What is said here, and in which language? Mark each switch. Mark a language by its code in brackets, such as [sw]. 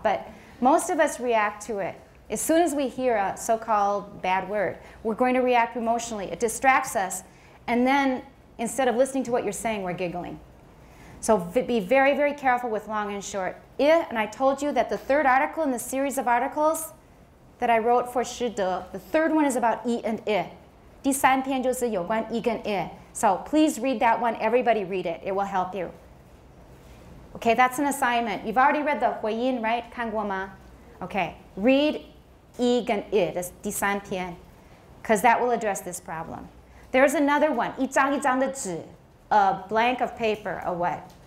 [en] But most of us react to it. As soon as we hear a so-called bad word, we're going to react emotionally. It distracts us. And then instead of listening to what you're saying, we're giggling. So be very, very careful with long and short. And I told you that the third article in the series of articles that I wrote for 实德, the third one is about E and I. [zh] 第三篇就是有关E跟I. [en] So please read that one, everybody read it, it will help you. Okay, that's an assignment. You've already read the 回音, right? [zh] 看过吗? [en] Okay, read E跟I, [zh] 第三篇, [en] because that will address this problem. There's another one, [zh] 一张一张的纸, [en] a blank of paper, a what?